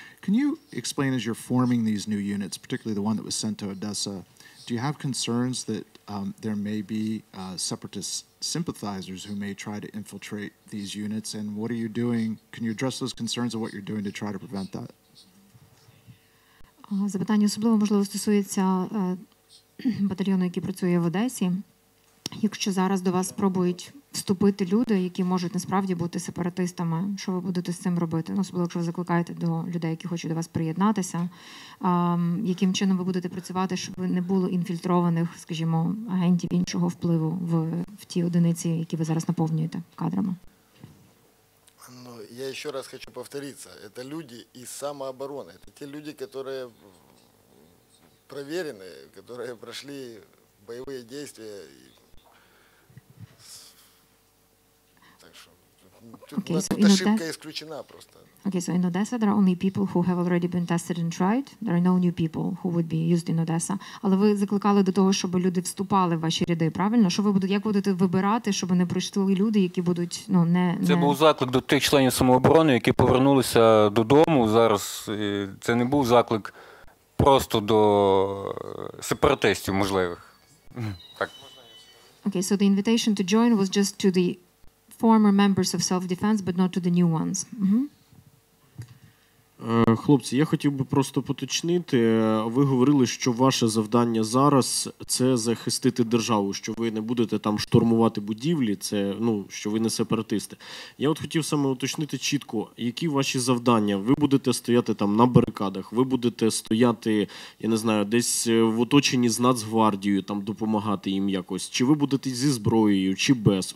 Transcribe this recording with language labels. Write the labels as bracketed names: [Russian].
[English] Can you explain, as you're forming these new units, particularly the one that was sent to Odessa, do you have concerns that there may be separatist sympathizers who may try to infiltrate these units? And what are you doing? Can you address those concerns of what you're doing to try to prevent that? [Ukrainian] Запитання особливо, можливо, стосується батальйону, який працює в Одесі. Якщо зараз до вас спробують вступити люди, які можуть насправді бути сепаратистами, що ви будете з цим робити? Ну, особливо, якщо ви закликаєте до людей, які хочуть до вас приєднатися, яким чином ви будете працювати, щоб не було інфільтрованих, скажімо, агентів іншого впливу в тій одиниці, які ви зараз наповнюєте кадрами? Ну, я ще раз хочу повторитися. Це люди із самооборони. Це ті люди, які перевірені, які пройшли бойові дії. [English] So in Odessa, there are only people who have already been tested and tried. There are no new people who would be used in Odessa. [Ukrainian] Але ви закликали до того, щоб люди вступали в ваші ряди, правильно? Що ви будете, як будете вибирати, щоб не прийшли люди, які будуть, ну, не... Це не... був заклик до тих членів самооборони, які повернулися додому зараз. Це не був заклик просто до сепаратистів можливих. Так. [English] Okay, so the invitation to join was just to the former members of self-defense, but not to the new ones. Mm-hmm. [Ukrainian] Хлопці, я хотів би просто уточнити. Ви говорили, що ваше завдання зараз – це захистити державу, що ви не будете там штурмувати будівлі, це, ну, що ви не сепаратисти. Я от хотів саме уточнити чітко, які ваші завдання. Ви будете стояти там на барикадах, ви будете стояти, я не знаю, десь в оточенні з Нацгвардією, там допомагати їм якось, чи ви будете зі зброєю, чи без.